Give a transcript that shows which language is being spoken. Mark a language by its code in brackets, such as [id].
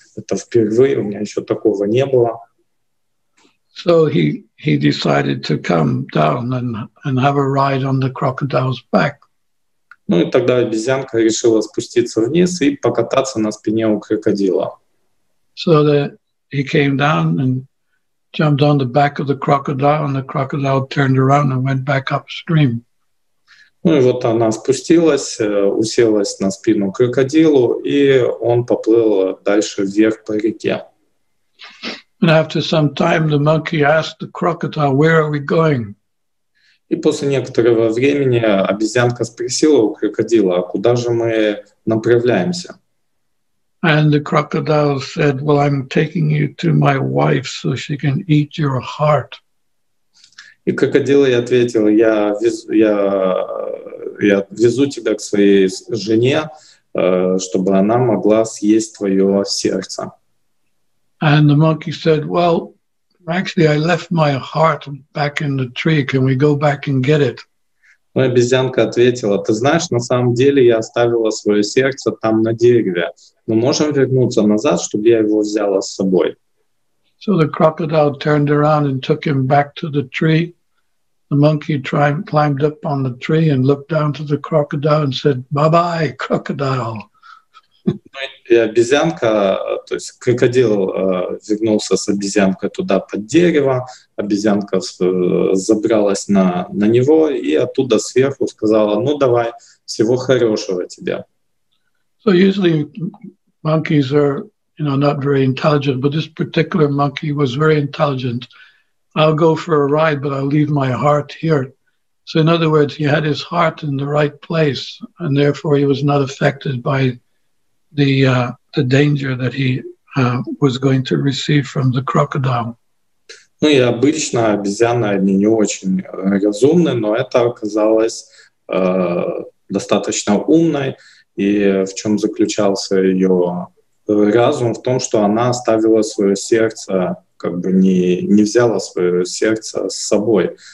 [ru] Это впервые, у меня еще такого не было. [en] So he decided to come down and have a ride on the crocodile's back. [ru] Ну и тогда обезьянка решила спуститься вниз и покататься на спине у крокодила. [en] So he came down and jumped on the back of the crocodile, and the crocodile turned around and went back upstream. [ru] Ну и вот она спустилась, уселась на спину крокодилу, и он поплыл дальше вверх по реке. [en] And after some time, the monkey asked the crocodile, "Where are we going?" [ru] И после некоторого времени обезьянка спросила у крокодила, куда же мы направляемся? [en] And the crocodile said, "Well, I'm taking you to my wife so she can eat your heart." [ru] И крокодил ей ответил: я везу тебя к своей жене, чтобы она могла съесть твое сердце. [en] And the monkey said, "Well, actually, I left my heart back in the tree. Can we go back and get it?" [ru] Но обезьянка ответила: "Ты знаешь, на самом деле я оставила свое сердце там на дереве. Мы можем вернуться назад, чтобы я его взяла с собой." [en] So the crocodile turned around and took him back to the tree. The monkey climbed up on the tree and looked down to the crocodile and said, "Bye-bye, crocodile." [ru] И обезьянка, то есть крокодил, вернулся с обезьянкой туда под дерево. Обезьянка забралась на него и оттуда сверху сказала: "Ну давай, всего хорошего тебе." [en] So usually monkeys are, you know, not very intelligent, but this particular monkey was very intelligent. "I'll go for a ride, but I'll leave my heart here. So in other words, he had his heart in the right place, and therefore he was not affected by the danger that he was going to receive from the crocodile. [ru] Ну и обычно обезьяны одни не очень разумны, но это оказалось достаточно умной. И в чем заключался ее разум? В том, что она оставила свое сердце, как бы не взяла свое сердце с собой.